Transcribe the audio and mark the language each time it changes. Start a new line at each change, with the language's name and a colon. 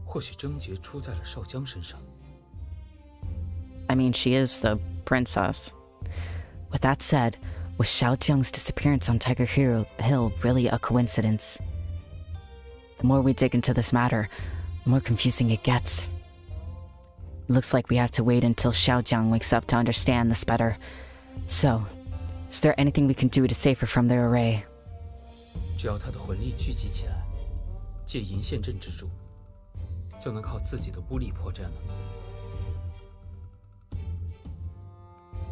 Chinese: 确实，他们布阵失事魂力必有所图。或许症结出在了少将身上。
English: I mean, she is the princess. With that said, was Xiaojiang's disappearance on Tiger Hill really a coincidence? The more we dig into this matter, the more confusing it gets. It looks like we have to wait until Xiaojiang wakes up to understand this better. So, is there anything we can do to save her from their array?
Chinese: 只要她的魂力聚集起来, 借银线阵之助, 就能靠自己的巫力破阵了。